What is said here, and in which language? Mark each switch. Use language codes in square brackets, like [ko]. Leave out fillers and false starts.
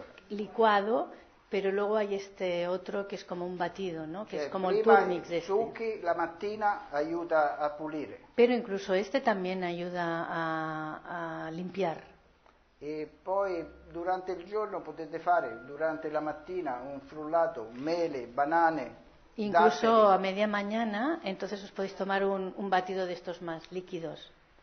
[es] licuado, pero luego hay este otro que es como un batido, ¿no? Que es como el turmix de este. [it] Succhi la mattina, [es] ayuda a [it] pulire. [es] Pero incluso este también ayuda a limpiar. [it] E poi durante il giorno potete fare durante la mattina un frullato, mele, banane. [es] Incluso a media mañana, entonces os podéis tomar un batido de estos más líquidos.